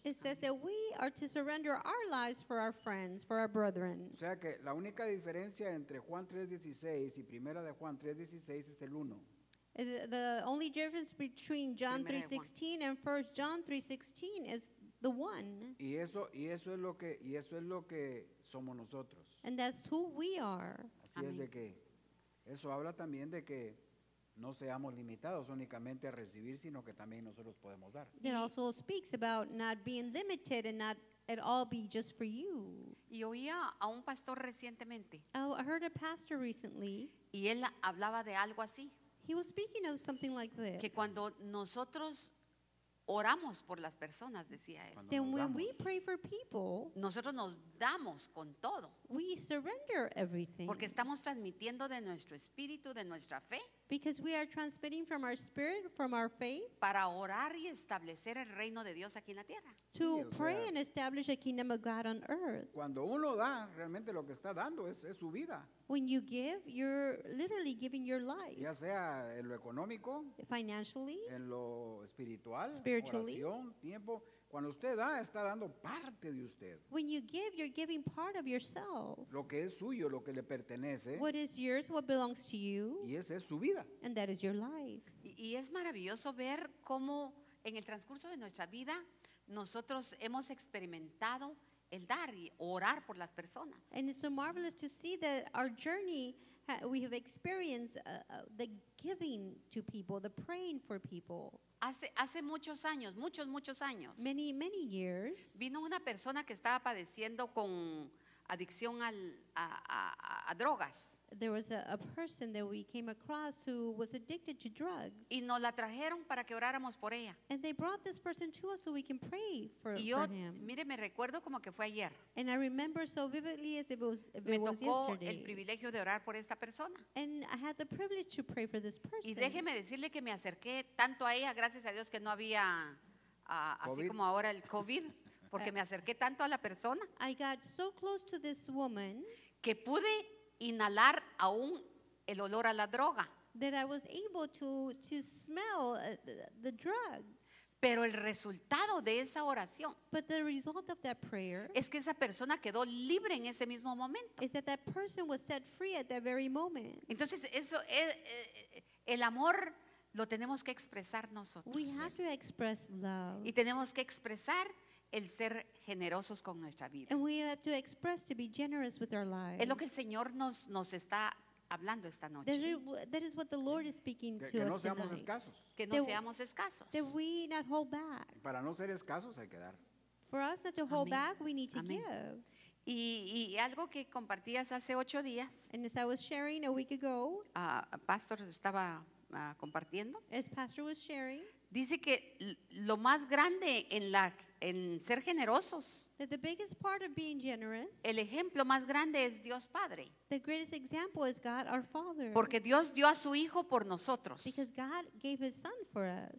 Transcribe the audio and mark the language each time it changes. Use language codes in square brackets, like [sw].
[en] It says that we are to surrender our lives for our friends, for our brethren. [es] O sea que la única diferencia entre Juan 3:16 y Primera de Juan 3:16 es el 1. [en] The only difference between John 3:16 and 1 John 3:16 is the 1. [es] Y eso es lo que somos nosotros. [en] And that's who we are. [es] Así es de que eso habla también de que no seamos limitados únicamente a recibir, sino que también nosotros podemos dar. [en] It also speaks about not being limited and not at all be just for you. [es] Y oía a un pastor recientemente. [en] Oh, I heard a pastor recently. [es] Y él hablaba de algo así. [en] He was speaking of something like this. [es] Que cuando nosotros oramos por las personas, decía él. [en] Then when we pray for people, [es] nosotros nos damos con todo. [en] We surrender everything. [es] Porque estamos transmitiendo de nuestro espíritu, de nuestra fe. [en] Because we are transmitting from our spirit, from our faith. [es] Para orar y establecer el reino de Dios aquí en la tierra. [en] To pray and establish a kingdom of God on earth. [es] Cuando uno da, realmente lo que está dando es su vida. [en] When you give, you're literally giving your life. [es] Ya sea en lo económico. [en] Financially. [es] En lo espiritual. [en] Spiritually. [es] Oración, tiempo. Cuando usted da, está dando parte de usted. [en] When you give, you're giving part of yourself. [es] Lo que es suyo, lo que le pertenece. [en] What is yours, what belongs to you. [es] Y esa es su vida. [en] And that is your life. [es] Y es maravilloso ver cómo en el transcurso de nuestra vida nosotros hemos experimentado el dar y orar por las personas. [en] And it's so marvelous to see that our journey, we have experienced the giving to people, the praying for people. [es] Hace muchos años, muchos años. [en] Many, many years. [es] Vino una persona que estaba padeciendo con adicción a drogas. [en] There was a person that we came across who was addicted to drugs. [es] Y nos la trajeron para que oráramos por ella. [en] And they brought this person to us so we can pray for him. [es] Y yo, mire, me recuerdo como que fue ayer. [en] And I remember so vividly as if it was yesterday. [es] Me tocó el privilegio de orar por esta persona. [en] And I had the privilege to pray for this person. [es] Y déjeme decirle que me acerqué tanto a ella, gracias a Dios que no había así como ahora el COVID. porque me acerqué tanto a la persona. [en] I got so close to this woman [es] que pude inhalar aún el olor a la droga. [en] That I was able to smell the drugs. [es] Pero el resultado de esa oración, [en] but the result of that prayer, [es] es que esa persona quedó libre en ese mismo momento. [en] Is that that person was set free at that very moment. [es] Entonces eso es, el amor lo tenemos que expresar nosotros. [en] We have to express love. [es] Y tenemos que expresar el ser generosos con nuestra vida. [en] And we have to express to be generous with our lives. [es] Es lo que el Señor nos está hablando esta noche. [en] That is what the Lord is speaking to us tonight. [es] Que no seamos escasos. Que no seamos escasos. [en] That we not hold back. [es] Para no ser escasos hay que dar. [en] For us not to hold back, we need to give. [es] Y algo que compartías hace 8 días. [en] And as I was sharing a week ago, [es] Pastor estaba compartiendo. [en] As Pastor was sharing, [es] dice que lo más grande en ser generosos, [en] the biggest part of being generous, [es] el ejemplo más grande es Dios Padre. [en] The greatest example is God our Father. [es] Porque Dios dio a su Hijo por nosotros. [en] Because God gave his Son for us.